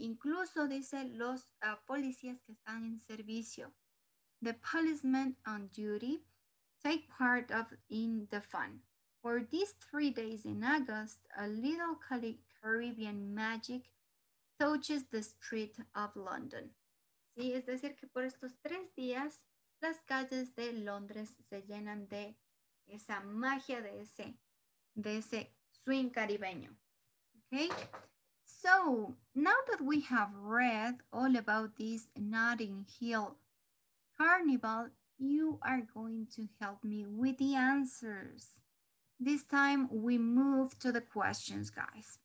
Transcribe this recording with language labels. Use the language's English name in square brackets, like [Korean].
[Spanish] Incluso dice los policías que están en servicio. [English] The policemen on duty take part of in the fun. For these 3 days in August, a little Caribbean magic touches the street of London. ¿Sí? [Spanish] Es decir, que por estos 3 días, las calles de Londres se llenan de esa magia de ese swing caribeño. [English] Okay, so now that we have read all about this Notting Hill Carnival, you are going to help me with the answers. This time we move to the questions, guys.